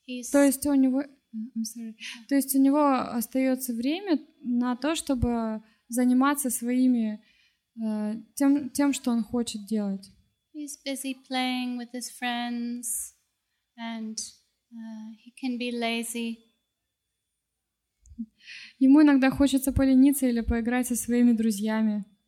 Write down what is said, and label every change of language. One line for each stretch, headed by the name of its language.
Russian: То есть у него остается время на то, чтобы заниматься своими тем, что он хочет делать.
English: He's busy playing with his friends, and he can be lazy.
Russian: Ему иногда хочется полениться или поиграть со своими друзьями.